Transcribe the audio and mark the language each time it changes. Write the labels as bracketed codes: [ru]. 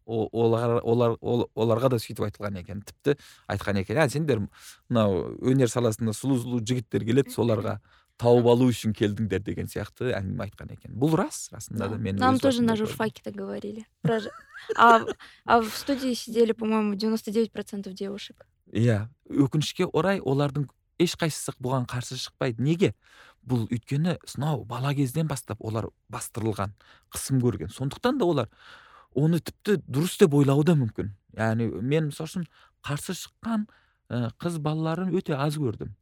[kk] Оларға да сөйтіп айтылған екен. Тіпті айтқан екен, сендер мынау өнер саласында сұлу-сұлу жігіттер келеді, соларға тауып алу үшін келдіңдер деген сияқты әңгіме айтқан екен. Бұл рас, расында да. [ru] Нам тоже на журфаке так говорили. В студии сидели, по-моему, 99% девушек. [kk] Иә, өкінішке орай олардың ешқайсысы бұған қарсы шықпайды. Неге? Бұл өйткені сынау бала кезден бастап олар бастырылған, қысым көрген. Сондықтан да олар оны тіпті дұрыс деп ойлауы да мүмкін. Яғни мен мысалы қарсы шыққан қыз балаларын өте аз көрдім.